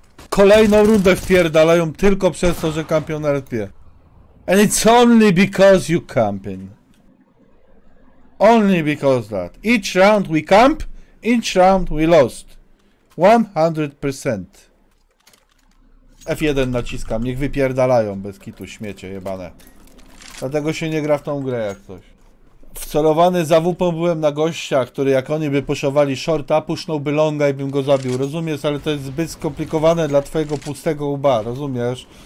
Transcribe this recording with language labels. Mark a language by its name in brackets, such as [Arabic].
[Polish] Kolejną rundę wpierdalają tylko przez to, że kampion na respie. [English] And it's only because you camping. Only because that. Each round we camp, each round we lost. 100%. [Polish] F1 naciskam, niech wypierdalają bez kitu, śmiecie jebane. Dlatego się nie gra w tą grę jak coś. Wcelowany za WP byłem na gościa, który jak oni by poszowali shorta, pusznąłby longa i bym go zabił. Rozumiesz, ale to jest zbyt skomplikowane dla twojego pustego łba, rozumiesz?